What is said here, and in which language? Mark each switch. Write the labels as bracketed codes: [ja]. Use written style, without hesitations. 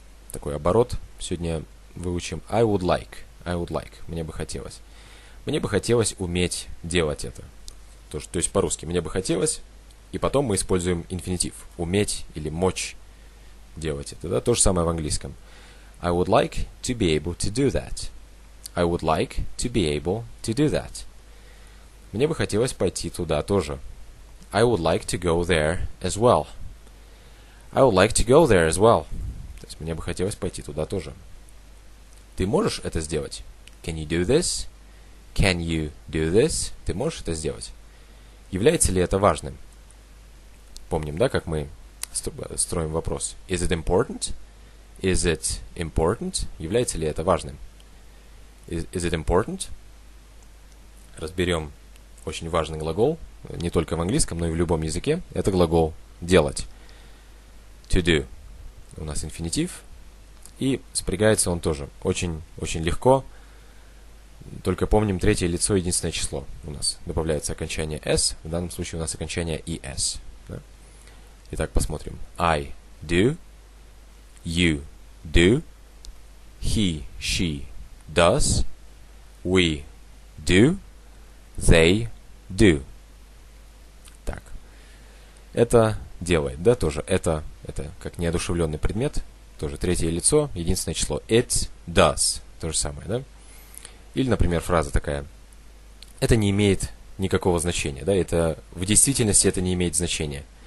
[ru] Такой оборот сегодня выучим. [en] I would like. I would like. [ru] Мне бы хотелось. Мне бы хотелось уметь делать это. То есть по-русски. Мне бы хотелось. И потом мы используем инфинитив. Уметь или мочь делать это. Да? То же самое в английском. [en] I would like to be able to do that. I would like to be able to do that. [ru] Мне бы хотелось пойти туда тоже. [en] I would like to go there as well. I would like to go there as well. [ru] То есть мне бы хотелось пойти туда тоже. Ты можешь это сделать? [en] Can you do this? [ru] Can you do this? Ты можешь это сделать? Является ли это важным? Помним, да, как мы строим вопрос. [en] Is it important? Is it important? [ru] Является ли это важным? [en] Is it important? [ru] Разберем очень важный глагол, не только в английском, но и в любом языке. Это глагол делать. [en] To do. [ru] У нас инфинитив. И спрягается он тоже. Очень-очень легко. Только помним, третье лицо, единственное число у нас. Добавляется окончание s. В данном случае у нас окончание es. Да? Итак, посмотрим. [en] I do. You do, he, she, does, we, do, they, do. [ru] Так, это делает, да, тоже, это как неодушевленный предмет, тоже третье лицо, единственное число, [en] it does, [ru] то же самое, да. Или, например, фраза такая, это не имеет никакого значения, да, это, в действительности это не имеет значения.